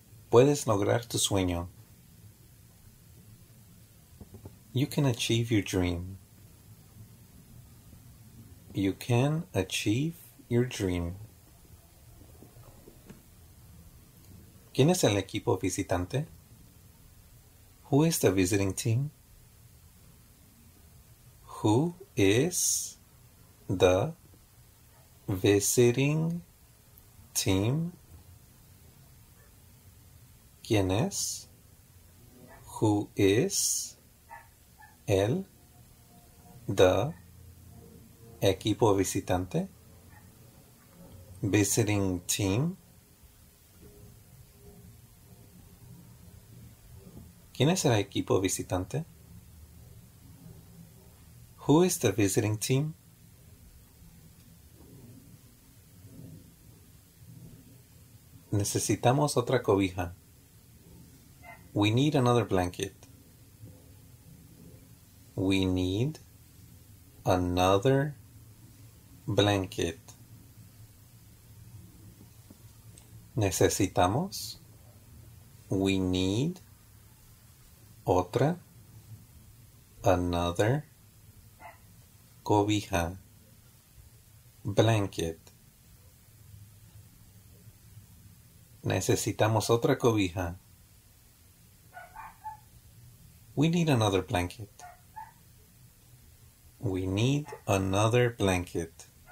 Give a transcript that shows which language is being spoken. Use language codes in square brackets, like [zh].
[es] Puedes lograr tu sueño. [en] You can achieve your dream. You can achieve your dream. [es] ¿Quién es el equipo visitante? [en] Who is the visiting team? Who is the visiting team? [es] ¿Quién es? [en] Who is el the [es] equipo visitante? [en] Visiting team. [es] ¿Quién es el equipo visitante? [en] Who is the visiting team? [es] Necesitamos otra cobija. [en] We need another blanket. We need another blanket. Necesitamos. We need otra. Another. Cobija. Blanket. [es] Necesitamos otra cobija. [en] We need another blanket. We need another blanket.